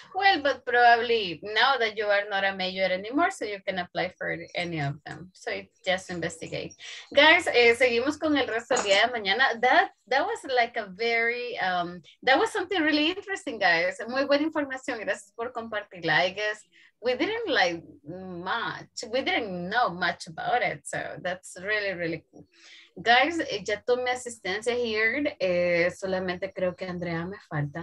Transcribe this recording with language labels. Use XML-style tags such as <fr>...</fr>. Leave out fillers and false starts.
<en>Well, but probably now that you are not a major anymore, so you can apply for any of them. So just investigate.</en> <es>Guys, seguimos con el resto del día de mañana.</es> <en>That was like a very, that was something really interesting, guys.</en> <es>Muy buena información. Gracias por compartirla.</es> <en>I guess we didn't like much. We didn't know much about it. So that's really, really cool.</en> <es>Guys, ya tomé asistencia here. Solamente creo que Andrea me falta.</es>